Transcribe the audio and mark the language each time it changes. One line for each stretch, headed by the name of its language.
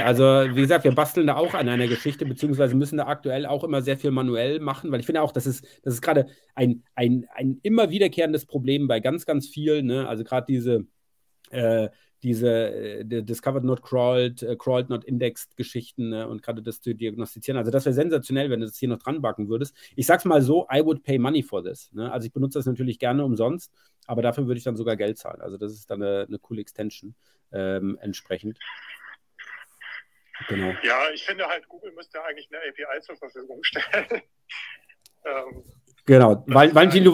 German: Also, wie gesagt, wir basteln da auch an einer Geschichte, beziehungsweise müssen da aktuell auch immer sehr viel manuell machen, weil ich finde auch, das ist gerade ein immer wiederkehrendes Problem bei ganz, ganz vielen, ne? Also, gerade diese
English: discovered not crawled, crawled not indexed
German: Geschichten, ne, und gerade das zu diagnostizieren. Also das wäre sensationell, wenn du das hier noch dran backen würdest. Ich sag's mal so,
English: I would pay money for this.
German: Ne? Also ich benutze das natürlich gerne umsonst, aber dafür würde ich dann sogar Geld zahlen. Also das ist dann eine coole Extension entsprechend. Genau. Ja, ich finde halt, Google müsste eigentlich eine API zur Verfügung stellen. Genau, Das ist Valentin, du